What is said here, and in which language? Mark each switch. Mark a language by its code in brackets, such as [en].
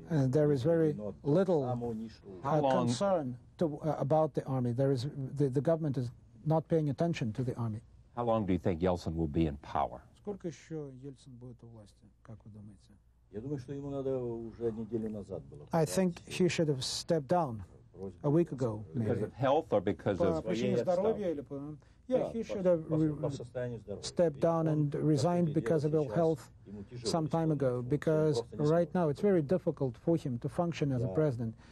[en] There is very little concern about the army. There is the government is not paying attention to the army. How long do you think Yeltsin will be in power? [ru] Сколько еще Ельцин будет у власти, как вы думаете? Я думаю, что ему надо уже неделю назад было. [en] I think he should have stepped down a week ago. Maybe. Because of health or because of [ru] причине здоровья или по [en] Yeah, he should have stepped down and resigned because of ill health some time ago, because right now it's very difficult for him to function as a president.